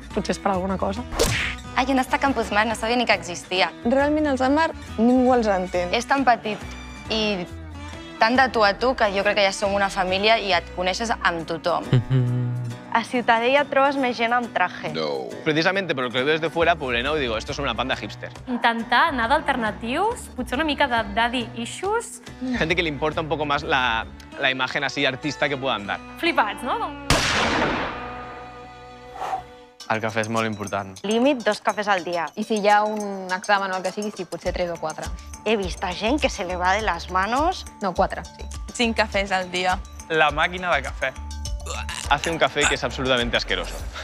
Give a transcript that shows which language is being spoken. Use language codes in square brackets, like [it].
[ca] Potser és per alguna cosa. Ai, on està Campus Mar? No sabia ni que existia. Realment, els de Mar, ningú els entén. És tan petit i tant de tu a tu que jo crec que ja som una família i et coneixes amb tothom. A Ciutadella trobes més gent amb traje. No. [es] Precisamente, pero lo que veo desde fuera, Poblenou, digo, esto es una panda hipster. [ca] Intentar anar d'alternatius, potser una mica de daddy issues. [es] Gente que le importa un poco más la imagen así artista que puedan dar. [ca] Flipats, no? El cafè és molt important. Límit, dos cafès al dia. I si hi ha un examen o el que sigui, sí, potser tres o quatre. He vist gent que se li va de les manos... No, quatre, sí. Cinc cafès al dia. La màquina de cafè. Hace un cafè que és absolutament asqueroso.